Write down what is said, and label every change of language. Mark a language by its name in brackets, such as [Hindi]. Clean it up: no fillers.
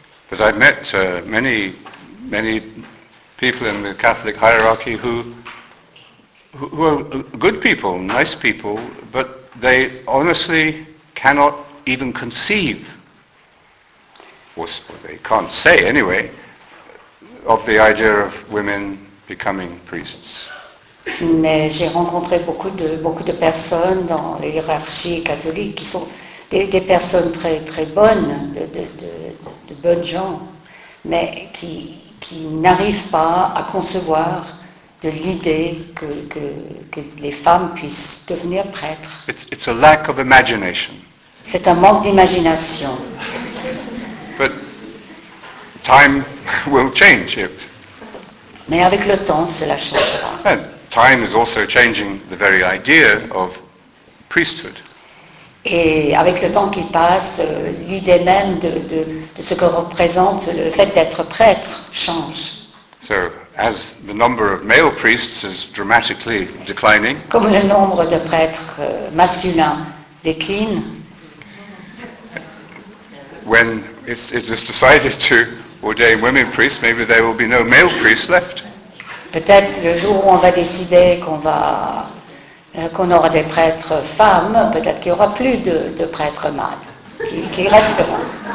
[English] But I've met many people in the Catholic hierarchy who are good people, nice people, but they honestly cannot even conceive, or they can't say anyway, of the idea of women becoming priests. [French] Mais j'ai rencontré beaucoup de personnes dans l'hierarchie catholique qui sont des personnes très très bonnes, de bonnes gens, mais qui n'arrivent pas à concevoir de l'idée que les femmes puissent devenir prêtres. [English] It's a lack of imagination. [French] C'est un manque d'imagination. [English] But time will change it. [French] Mais avec le temps, cela changera. [English] And time is also changing the very idea of priesthood. [French] Et avec le temps qui passe, l'idée même de ce que représente le fait d'être prêtre change. [English] So, as the number of male priests is dramatically declining. [French] Comme le nombre de prêtres masculins décline. [English] When it is decided to ordain women priests, maybe there will be no male priests left. [French] Peut-être le jour où on va décider qu'on aura des prêtres femmes, peut-être qu'il n'y aura plus de prêtres mâles qui resteront.